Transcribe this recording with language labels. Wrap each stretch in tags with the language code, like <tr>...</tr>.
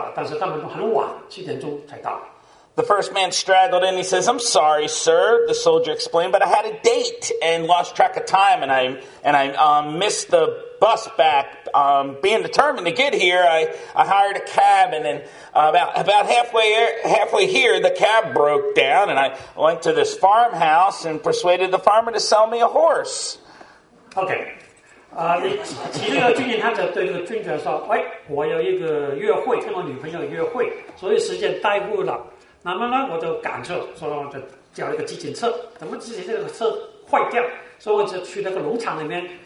<zh>那一个官长，军队的官长，他看到他的军人，他们都迟到，他们应该一早到了，但是他们都很晚，7点钟才到。</zh> <en>The first man straggled in. He says, "I'm sorry, sir," the soldier explained, "but I had a date and lost track of time, and I missed the bus back. Being determined to get here, I hired a cab, and then about halfway here, the cab broke down, and I went to this farmhouse and persuaded the farmer to sell me a horse."</en> <zh>Okay, 其实这个军人他就对这个军长说，喂，我有一个约会，跟我女朋友约会，所以时间耽误了，那么呢，我就赶车，说就叫一个急诊车，怎么急诊车坏掉，所以我就去那个农场里面。</zh>